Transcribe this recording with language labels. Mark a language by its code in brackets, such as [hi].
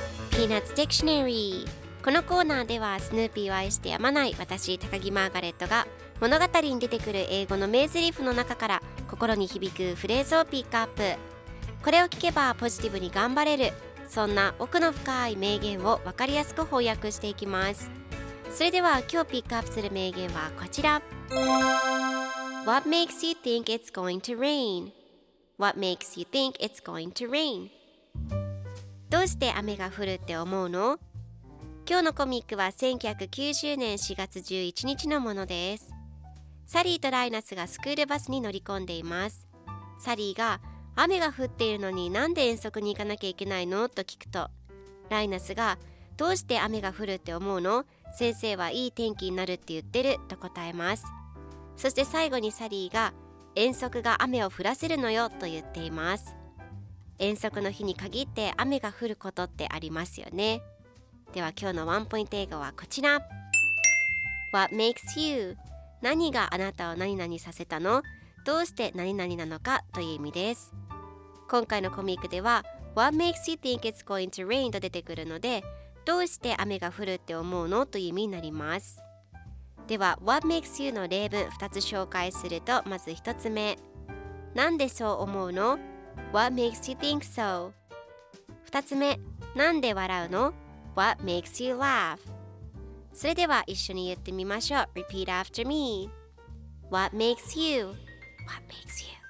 [ja] ピーナッツ・ディクショナリー。このコーナーではスヌーピーを愛してやまない私、高木マーガレットが物語に出てくる英語の名台詞の中から心に響くフレーズをピックアップ。これを聞けばポジティブに頑張れる、そんな奥の深い名言を分かりやすく翻訳していきます。それでは今日ピックアップする名言はこちら。 [en] What makes you think it's going to rain? What makes you think it's going to rain? [ja] どうして雨が降るって思うの？今日のコミックは1990年4月11日のものです。サリーとライナスがスクールバスに乗り込んでいます。サリーが雨が降っているのになんで遠足に行かなきゃいけないの？と聞くと、ライナスがどうして雨が降るって思うの？先生はいい天気になるって言ってると答えます。そして最後にサリーが遠足が雨を降らせるのよと言っています。遠足の日に限って雨が降ることってありますよね。では今日のワンポイント英語はこちら。 [en] What makes you? [ja] 何があなたを何々させたの？どうして何々なのかという意味です。今回のコミックでは [en] What makes you think it's going to rain? [ja] と出てくるので、どうして雨が降るって思うの？という意味になります。では [en] What makes you? [ja] の例文2つ紹介すると、まず1つ目、なんでそう思うの？ [en] What makes you think so? [ja] 2つ目、なんで笑うの？ [en] What makes you laugh? [ja] それでは一緒に言ってみましょう。 [en] Repeat after me. What makes youWhat makes you?